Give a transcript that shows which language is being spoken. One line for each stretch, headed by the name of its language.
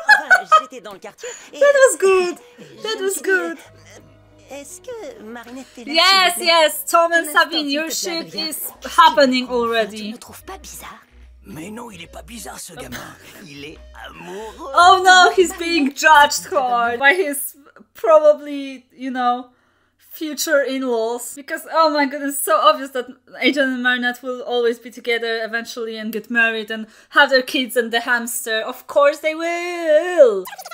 English: That was good. That was good. Yes, yes, Tom and Sabine, your ship is happening already.
French: Mais non, il est pas bizarre ce gamin. Il est amoureux.
English: Oh no, he's being judged hard by his probably, you know, future in-laws. Because, oh my goodness, it's so obvious that Adrien and Marinette will always be together eventually and get married and have their kids and the hamster. Of course they will!